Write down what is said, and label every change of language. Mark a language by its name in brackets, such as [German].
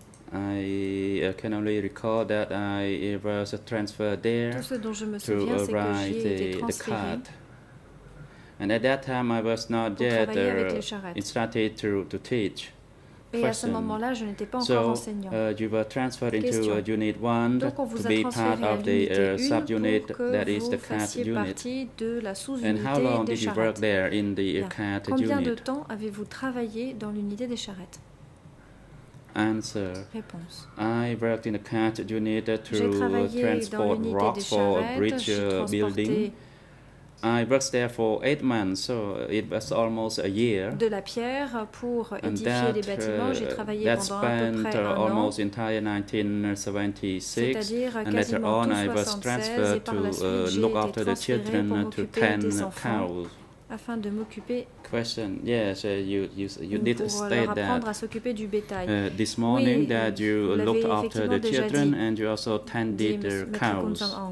[English] I can only recall that I was transferred there to write the card. And at that time, I was not yet instructed to teach. [French] Et à ce moment-là, je n'étais pas encore enseignant. [English] So, you were transferred into unit 1 to be part of the subunit that is the CAT unit. And how long did you work there in the CAT unit? [French] Combien de temps avez-vous travaillé dans l'unité des charrettes? [English] Answer. [French] Réponse. [English] I worked in the CAT unit to transport rocks for a bridge building. I worked there for 8 months, so it was almost a year. [French] De la pierre pour édifier les bâtiments, j'ai travaillé pendant à peu près un an. [English] That spent almost entire 1976. And later on, I was transferred to look after the children to tend cows. [French] Afin de m'occuper. [English] Question. Yes, you did state that. [French] À s'occuper du bétail. [English] This morning, [French] oui, [English] that you looked after the children and you also tended the cows.